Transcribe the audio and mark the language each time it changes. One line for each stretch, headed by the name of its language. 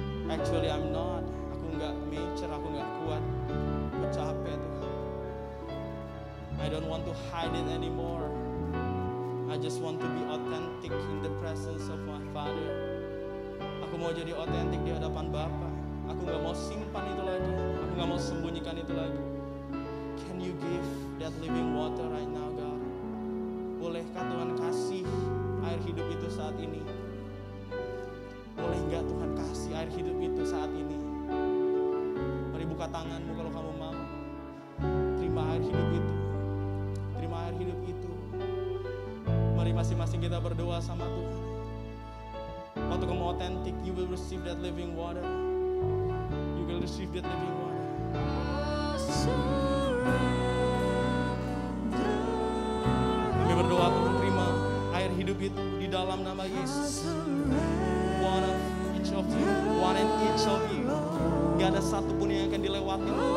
English: Actually I'm not.
Indonesian: Aku gak mature, aku gak kuat. Aku capek Tuhan.
English: I don't want to hide it anymore. I just want to be authentic in the presence of my Father.
Indonesian: Aku mau jadi authentic di hadapan Bapa. Aku gak mau simpan itu lagi, aku gak mau sembunyikan itu lagi.
English: Can you give that living water right now, God?
Indonesian: Bolehkah Tuhan kasih air hidup itu saat ini? Boleh enggak Tuhan kasih air hidup itu saat ini? Mari buka tanganmu kalau kamu mau. Terima air hidup itu. Terima air hidup itu. Mari masing-masing kita berdoa sama Tuhan. Waktu kamu authentic,
English: you will receive that living water. You will receive that living water.
Indonesian: Berdoa untuk menerima air hidup itu di dalam nama Yesus.
English: One and each of you, one and each of you.
Indonesian: Gak ada satu pun yang akan dilewati.